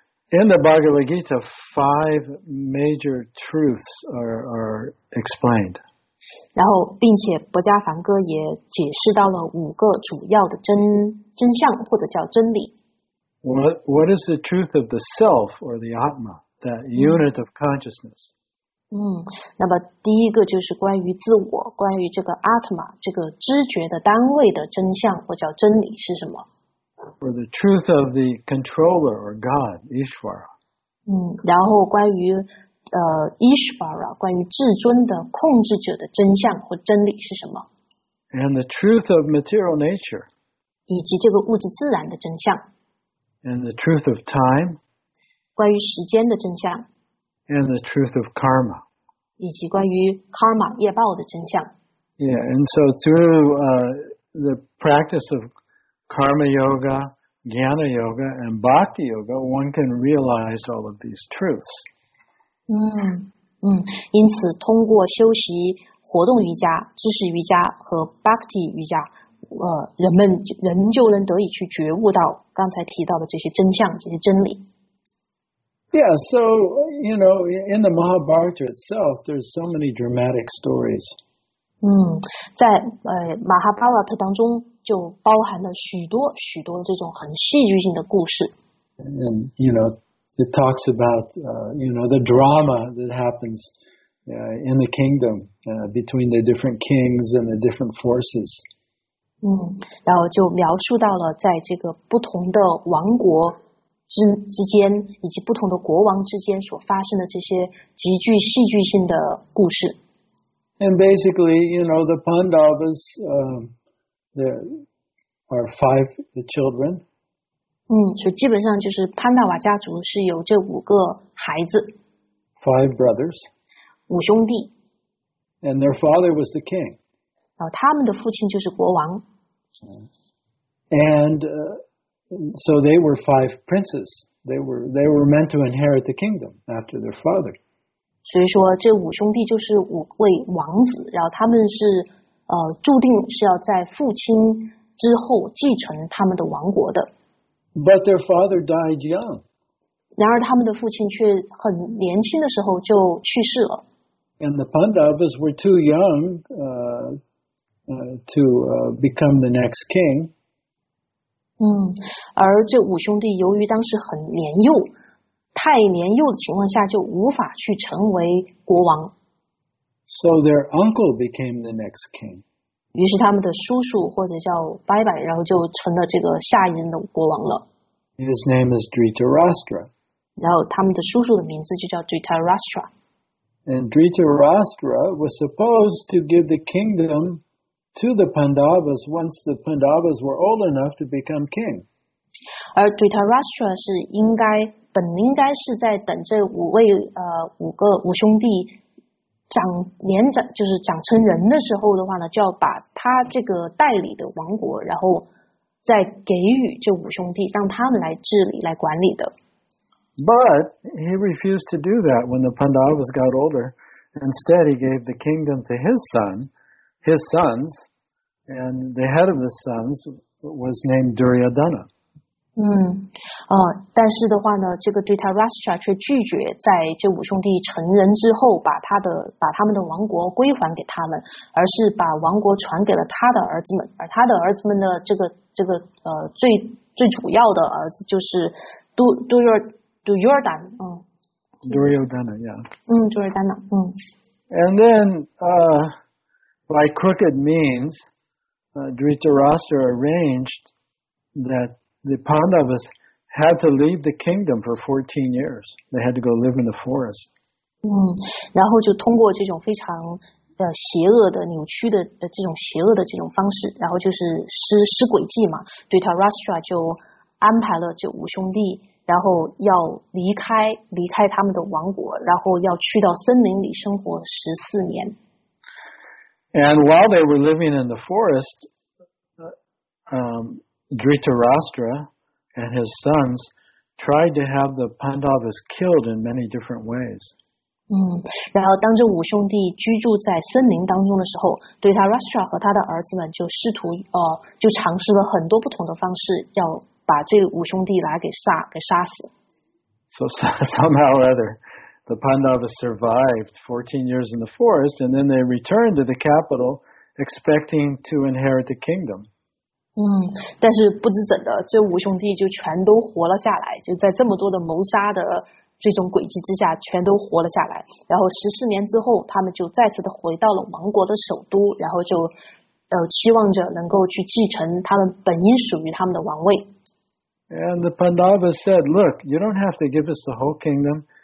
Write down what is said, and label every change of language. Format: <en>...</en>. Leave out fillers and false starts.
<en>In the Bhagavad Gita, five major truths are explained.</en> <zh>然后，并且《博迦梵歌》也解释到了五个主要的真相或者叫真理。</zh> <en>What is the truth of the self or the atma, that unit of consciousness?</en> <zh>那么第一个就是关于自我，关于这个 atma 这个知觉的单位的真相或叫真理是什么？</zh> <en>Or the truth of the controller or God, Ishvara.</en> <zh>然后关于Ishvara, 关于至尊的控制者的真相或真理是什么？</zh> <en>And the truth of material nature.</en> <zh>以及这个物质自然的真相。</zh> <en>And the truth of time.</en> <zh>关于时间的真相。</zh> <en>And the truth of karma.</en> <zh>以及关于 karma, 业报的真相。</zh> <en>Yeah, and so through the practice of Karma Yoga, Jnana Yoga, and Bhakti Yoga, one can realize all of these truths.</en> <zh>因此通过修习活动瑜伽、知识瑜伽和 Bhakti 瑜伽，人就能得以去觉悟到刚才提到的这些真相、这些真理。</zh> <en>Yeah, so, you know, in the Mahabharata itself, there's so many dramatic stories.</en> <zh>在马哈巴拉特当中就包含了许多许多这种很戏剧性的故事。</zh> <en>And, you know, it talks about, you know, the drama that happens in the kingdom between the different kings and the different forces.</en> <zh>然后就描述到了在这个不同的王国之间以及不同的国王之间所发生的这些极具戏剧性的故事。</zh> <en>And basically, you know, the Pandavas, there are five children.</en> <zh>所以基本上就是潘达瓦家族是有这五个孩子。</zh> <en>Five brothers.</en> <zh>五兄弟。</zh> <en>And their father was the king.</en> <zh>他们的父亲就是国王。</zh> <en>And so they were five princes. They were meant to inherit the kingdom after their father.</en> <zh>所以说这五兄弟就是五位王子，然后他们是注定是要在父亲之后继承他们的王国的。</zh> <en>But their father died young.</en> <zh>然而他们的父亲却很年轻的时候就去世了。</zh> <en>And the Pandavas were too young to become the next king.</en> <zh>而这五兄弟由于当时很年幼，太年幼的情况下就无法去成为国王。</zh> <en>So their uncle became the next king.</en> <zh>于是他们的叔叔或者叫伯伯，然后就成了这个下一任的国王了。</zh> <en>His name is Dhritarashtra.</en> <zh>然后他们的叔叔的名字就叫 Dhritarashtra。</zh> <en>And Dhritarashtra was supposed to give the kingdom to the Pandavas once the Pandavas were old enough to become king.</en> <zh>而 Dhritarashtra 是应该本应该是在等这五位五兄弟长年长就是长成人的时候的话呢，就要把他这个代理的王国，然后再给予这五兄弟，让他们来治理来管理的。</zh> <en>But he refused to do that when the Pandavas got older. Instead, he gave the kingdom to his son, his sons, and the head of the sons was named Duryodhana.</en> <zh>但是的话呢，这个 Dhritarashtra 却拒绝在这五兄弟成人之后把他们的王国归还给他们，而是把王国传给了他的儿子们，而他的儿子们的最主要的儿子就是 Duryodhana,</zh> <en>yeah.</en> <zh>Duryodhana,</zh> <en>And then, by crooked means, Dhritarashtra arranged that the Pandavas had to leave the kingdom for 14 years. They had to go live in the forest.</en> <zh>然后就通过这种非常邪恶的、扭曲的、这种邪恶的这种方式，然后就是施诡计嘛。 Dhritarashtra 就安排了这五兄弟。然后要离开他们的王国，然后要去到森林里生活14年。</zh> <en>And while they were living in the forest, Dhritarashtra and his sons tried to have the Pandavas killed in many different ways.</en> <zh>然后当这五兄弟居住在森林当中的时候，Dhritarashtra和他的儿子们就试图就尝试了很多不同的方式要。把这五兄弟来给杀死。</zh> <en>So somehow or other, the Pandavas survived 14 years in the forest, and then they returned to the capital, expecting to inherit the kingdom.</en> <zh>但是不知怎的，这五兄弟就全都活了下来，就在这么多的谋杀的这种诡计之下，全都活了下来。然后14年之后，他们就再次的回到了王国的首都，然后就期望着能够去继承他们本应属于他们的王位。</zh> <en>And the Pandavas said, look, you don't have to give us the whole kingdom.</en>